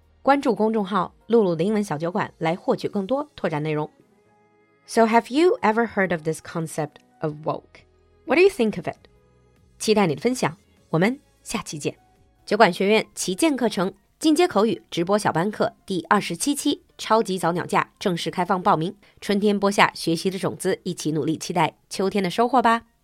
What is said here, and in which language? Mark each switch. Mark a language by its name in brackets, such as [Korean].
[Chinese] 关注公众号露露的英文小酒馆来获取更多拓展内容。 [English] So have you ever heard of this concept of woke? What do you think of it? [Chinese] 期待你的分享，我们下期见。酒馆学院旗舰课程进阶口语直播小班课第27期超级早鸟价正式开放报名，春天播下学习的种子，一起努力期待秋天的收获吧。